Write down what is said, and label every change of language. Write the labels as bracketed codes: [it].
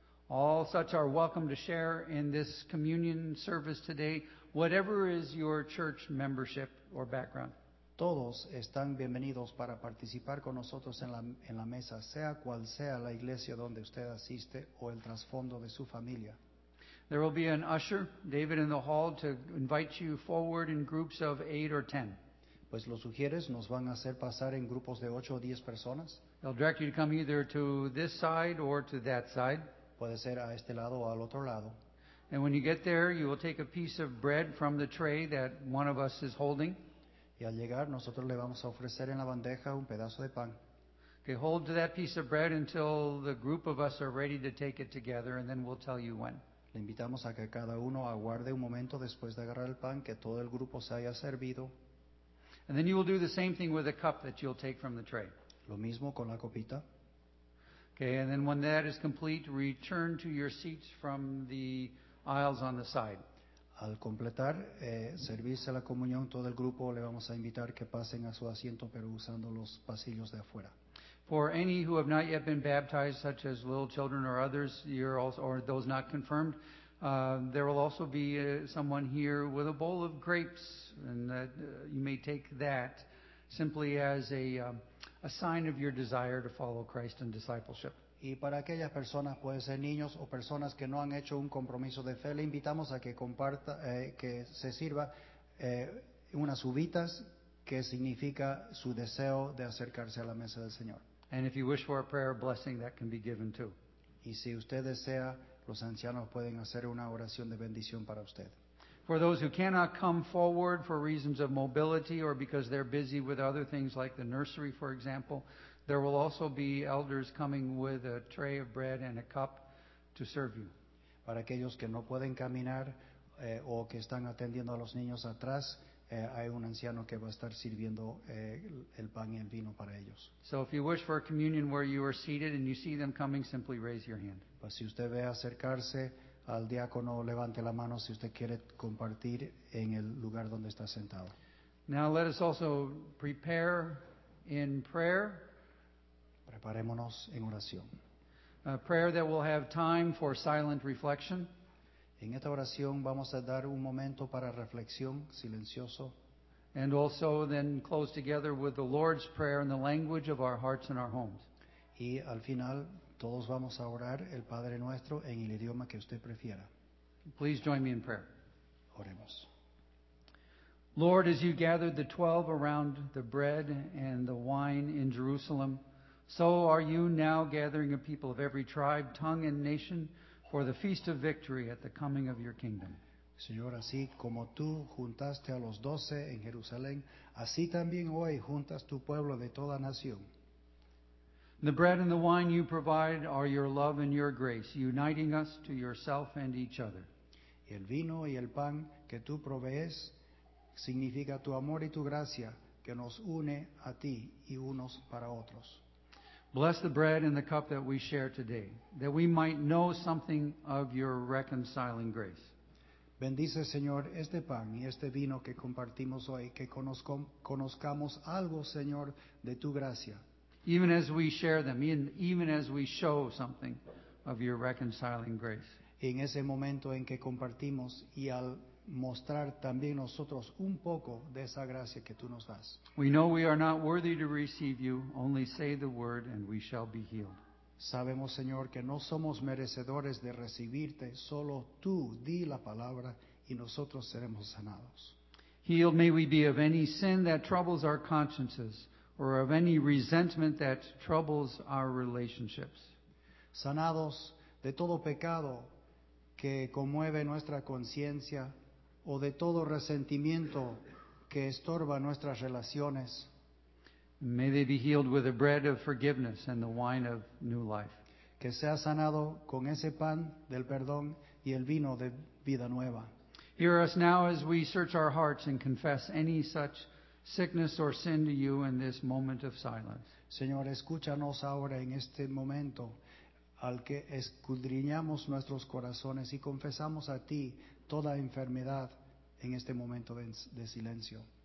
[en] All such are welcome to share in this communion service today, whatever is your church membership or background. [es] Todos están bienvenidos para participar con nosotros en la mesa, sea cual sea la iglesia donde usted asiste o el trasfondo de su familia. [en] There will be an usher, David, in the hall to invite you forward in groups of 8 or 10. [es] Pues los sugieres nos van a hacer pasar en grupos de 8 o 10 personas. [en] They'll direct you to come either to this side or to that side. [es] Puede ser a este lado o al otro lado. [en] And when you get there, you will take a piece of bread from the tray that one of us is holding. [es] Y al llegar, nosotros le vamos a ofrecer en la bandeja un pedazo de pan. [en] Okay, hold to that piece of bread until the group of us are ready to take it together, and then we'll tell you when. [es] Le invitamos a que cada uno aguarde un momento después de agarrar el pan, que todo el grupo se haya servido. [en] And then you will do the same thing with a cup that you'll take from the tray. [es] Lo mismo con la copita. [en] Okay, and then when that is complete, return to your seats from the aisles on the side. [es] Al completar servirse la comunión, todo el grupo le vamos a invitar que pasen a su asiento, pero usando los pasillos de afuera. [en] For any who have not yet been baptized, such as little children or others, you're also, or those not confirmed, there will also be someone here with a bowl of grapes, and that, you may take that simply as a sign of your desire to follow Christ in discipleship. [es] Y para aquellas personas, puede ser niños o personas que no han hecho un compromiso de fe, le invitamos a que comparta, que se sirva unas uvitas, que significa su deseo de acercarse a la mesa del Señor. [en] And if you wish for a prayer blessing, that can be given too. [es] Y si usted desea, los ancianos pueden hacer una oración de bendición para usted. [en] For those who cannot come forward for reasons of mobility or because they're busy with other things like the nursery, for example, there will also be elders coming with a tray of bread and a cup to serve you. [es] Para aquellos que no pueden caminar o que están atendiendo a los niños atrás, hay un anciano que va a estar sirviendo el pan y el vino para ellos. [en] So if you wish for a communion where you are seated and you see them coming, simply raise your hand. [es] Pues si usted ve acercarse al diácono, levante la mano si usted quiere compartir en el lugar donde está sentado. [en] Now let us also prepare in prayer. [es] Preparémonos en oración. [en] A prayer that will have time for silent reflection. [es] En esta oración vamos a dar un momento para reflexión silencioso. [en] And also then close together with the Lord's Prayer in the language of our hearts and our homes. [es] Y al final todos vamos a orar el Padre Nuestro en el idioma que usted prefiera. [en] Please join me in prayer. [es] Oremos. [en] Lord, as you gathered the 12 around the bread and the wine in Jerusalem, so are you now gathering a people of every tribe, tongue, and nation for the feast of victory at the coming of your kingdom. [es] Señor, así como tú juntaste a los 12 en Jerusalén, así también hoy juntas tu pueblo de toda nación. [en] The bread and the wine you provide are your love and your grace, uniting us to yourself and each other. [es] Y el vino y el pan que tú provees significa tu amor y tu gracia que nos une a ti y unos para otros. [en] Bless the bread and the cup that we share today, that we might know something of your reconciling grace. [es] Bendice, Señor, este pan y este vino que compartimos hoy, que conozcamos algo, Señor, de tu gracia. [en] Even as we share them, even as we show something of your reconciling grace. [es] En ese momento en que compartimos y al mostrar también nosotros un poco de esa gracia que tú nos das. [en] We know we are not worthy to receive you. Only say the word and we shall be healed. [es] Sabemos, Señor, que no somos merecedores de recibirte. Solo tú di la palabra y nosotros seremos sanados. [en] Healed may we be of any sin that troubles our consciences or of any resentment that troubles our relationships. [es] Sanados de todo pecado que conmueve nuestra conciencia o de todo resentimiento que estorba nuestras relaciones. [en] May they be healed with the bread of forgiveness and the wine of new life. [es] Que sea sanado con ese pan del perdón y el vino de vida nueva. [en] Hear us now as we search our hearts and confess any such sickness or sin to you in this moment of silence. [es] Señor, escúchanos ahora en este momento al que escudriñamos nuestros corazones y confesamos a ti toda enfermedad en este momento de silencio.